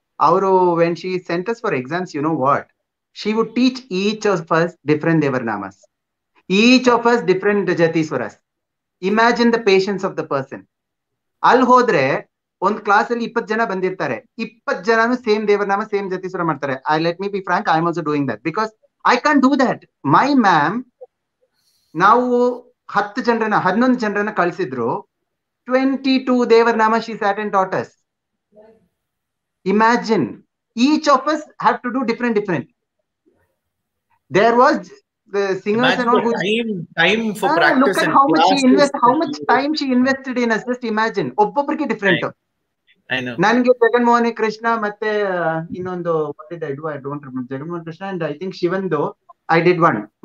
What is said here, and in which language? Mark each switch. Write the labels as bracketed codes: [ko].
[en] Auro, when she sent us for exams, you know what, she would teach each of us different devarnamas, each of us different jatis for us. Imagine the patience of the person. [kn] ಅಲ್ಲಿ ಹೋದ್ರೆ ಒಂದು class ಅಲ್ಲಿ 20 ಜನ ಬಂದಿರ್ತಾರೆ, 20 ಜನನು same ದೇವರನಾಮ same ಜತಿ ಸುರ ಮಾಡ್ತಾರೆ. [en] I let me be frank, I am also doing that because I can do that. My ma'am, [kn] ನಾವು 10 ಜನರನ್ನ 11 ಜನರನ್ನ ಕಳಿಸಿದ್ರು, 22 ದೇವರನಾಮ [en] She sat and taught us. Imagine, each of us have to do different different. There was the singers and all, time for practice, look at how much she invest, how much time she invested in us. Just imagine, [kn] obbobrige [en] different. I know, [kn] nanage [en] Jagan Mohan Krishna [kn] matte inondo [en] what did I do, I don't remember, Jagan Mohan Krishna and I think Shivando, I did one.